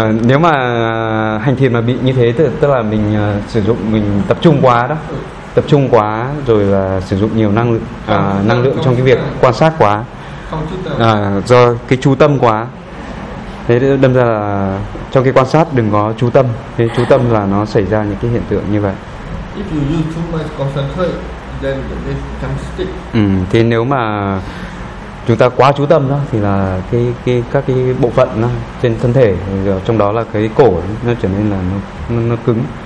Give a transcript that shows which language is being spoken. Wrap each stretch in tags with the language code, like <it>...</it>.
<vi>Nếu mà hành thiền mà bị như thế, tức là mình sử dụng, mình tập trung quá đó, tập trung quá rồi là sử dụng nhiều năng lượng, năng lượng trong cái việc quan sát quá, do cái chú tâm quá, thế đâm ra là trong cái quan sát đừng có chú tâm, thế chú tâm là nó xảy ra những cái hiện tượng như vậy.</vi> <en>If you use too much concentration, then it becomes</en> <vi>stiff. Thế nếu mà chúng ta quá chú tâm đó thì là các cái bộ phận đó, trên thân thể, trong đó là cái cổ đó, nó trở nên là nó cứng.</vi>